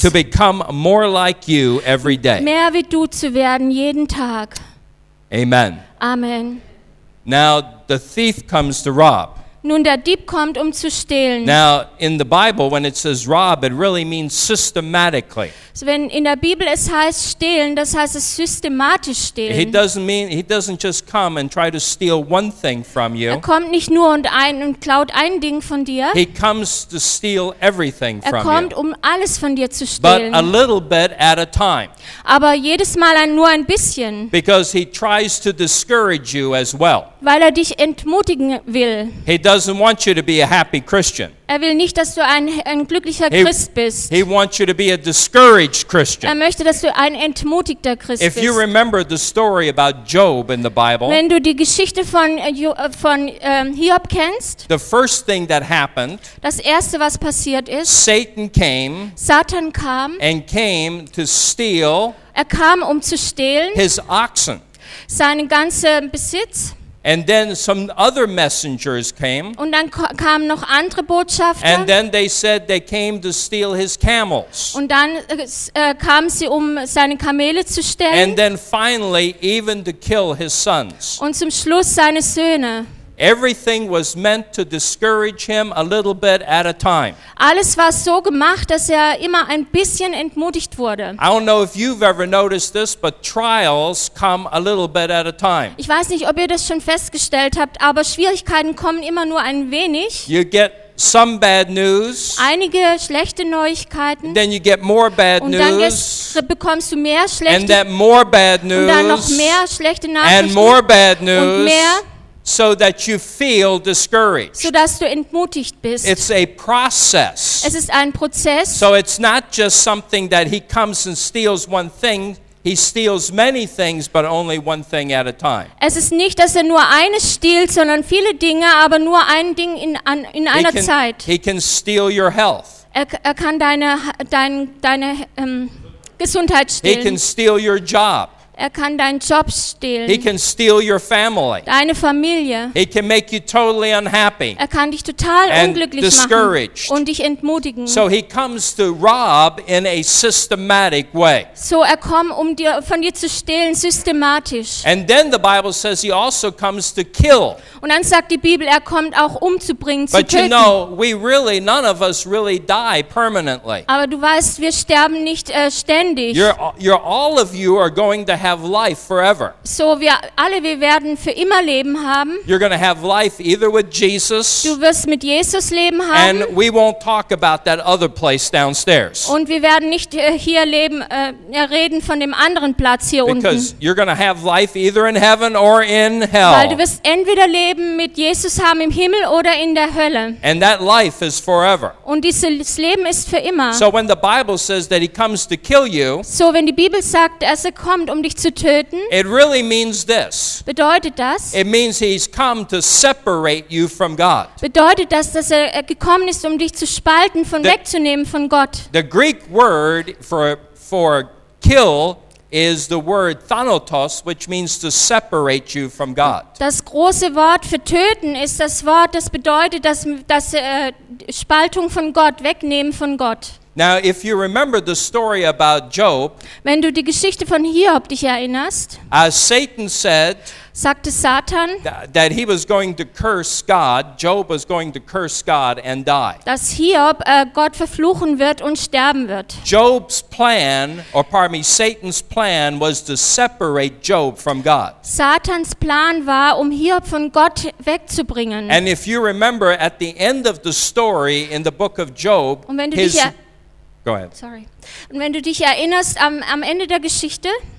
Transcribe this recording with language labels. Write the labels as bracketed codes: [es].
[en] To become more like you every day. [de] Mehr wie du zu werden jeden Tag. [en] Amen. [de] Amen. [en] Now the thief comes to rob. [de] Nun der Dieb kommt, um zu stehlen. [en] Now in the Bible, when it says rob, it really means systematically. [de] So wenn in der Bibel es heißt stehlen, das heißt es systematisch stehlen. [en] He doesn't just come and try to steal one thing from you. [de] Er kommt nicht nur und klaut ein Ding von dir. [en] He comes to steal everything from you. [de] Er kommt, um alles von dir zu stehlen. [en] But a little bit at a time. [de] Aber jedes Mal nur ein bisschen. [en] Because he tries to discourage you as well. [de] Weil er dich entmutigen will. [en] He doesn't want you to be a happy Christian. [de] Er will nicht, dass du ein glücklicher Christ bist. [en] He wants you to be a discouraged Christian. [de] Er möchte, dass du ein entmutigter Christ bist. [en] If you remember the story about Job in the Bible, [de] wenn du die Geschichte von Hiob kennst, [en] the first thing that happened, [de] das erste, was passiert ist, Satan kam [en] and came to steal. [de] Er kam, um zu stehlen, [en] his oxen, [de] seinen ganzen Besitz. [en] And then some other messengers came. [de] Und dann kamen noch andere Botschafter. [en] And then they said they came to steal his camels. [de] Und dann kamen sie, um seine Kamele zu stehlen. [en] And then finally even to kill his sons. [de] Und zum Schluss seine Söhne. [en] Everything was meant to discourage him a little bit at a time. [de] Alles war so gemacht, dass er immer ein bisschen entmutigt wurde. [en] I don't know if you've ever noticed this, but trials come a little bit at a time. [de] Ich weiß nicht, ob ihr das schon festgestellt habt, aber Schwierigkeiten kommen immer nur ein wenig. [en] You get some bad news. [de] Einige schlechte Neuigkeiten. [en] Then you get more bad news. [de] Und dann bekommst du mehr schlechte. [en] And then more bad news. [de] Und dann noch mehr schlechte Nachrichten. [en] And more bad news. [de] Und mehr. [en] So that you feel discouraged. [de] So dass du entmutigt bist. [en] It's a process. [de] Es ist ein Prozess. [en] So it's not just something that he comes and steals one thing. He steals many things, but only one thing at a time. [de] Es ist nicht, dass er nur eines stiehlt, sondern viele Dinge, aber nur ein Ding in einer Zeit. [en] He can steal your health. [de] Er kann deine Gesundheit stehlen. [en] He can steal your job. [de] Er kann deinen Job stehlen. [en] He can steal your family. [de] Deine Familie. [en] He can make you totally unhappy. [de] Er kann dich total unglücklich [en] discouraged. [de] Machen und dich entmutigen. [en] So he comes to rob in a systematic way. [de] So er kommt, um dir von dir zu stehlen systematisch. [en] And then the Bible says he also comes to kill. [de] Und dann sagt die Bibel, er kommt auch umzubringen, [en] but [de] zu töten. [en] You know, we really, none of us really die permanently. [de] Aber du weißt, wir sterben nicht ständig. [en] You're all of you are going to have life forever. [de] So wir alle, wir werden für immer Leben haben. [en] You're going to have life either with Jesus. [de] Du wirst mit Jesus Leben haben. [en] And we won't talk about that other place downstairs. [de] Und wir werden nicht hier leben reden von dem anderen Platz hier [en] because [de] unten. [en] Because you're going to have life either in heaven or in hell. [de] Weil du wirst entweder Leben mit Jesus haben im Himmel oder in der Hölle. [en] And that life is forever. [de] Und dieses Leben ist für immer. [en] So when the Bible says that he comes to kill you. [de] So wenn die Bibel sagt, dass er kommt, um dich zu töten. [en] It really means this. [de] Bedeutet das? [en] It means he's come to separate you from God. [de] Bedeutet das, dass er gekommen ist, um dich zu spalten, von wegzunehmen von Gott? [en] The Greek word for kill is the word thanatos, which means to separate you from God. [de] Das große Wort für töten ist das Wort, das bedeutet, dass Spaltung von Gott, wegnehmen von Gott. [en] Now, if you remember the story about Job, [de] wenn du die Geschichte von Hiob dich erinnerst, [en] as Satan said, [de] sagte Satan, [en] that he was going to curse God, Job was going to curse God and die. [de] Dass Hiob Gott verfluchen wird und sterben wird. [en] Job's plan, or pardon me, Satan's plan was to separate Job from God. [de] Satans Plan war, Hiob von Gott wegzubringen. [en] And if you remember, at the end of the story in the book of Job, [de] und wenn du his... [en] Go ahead. Sorry. [de] Und wenn du dich erinnerst am Ende der Geschichte,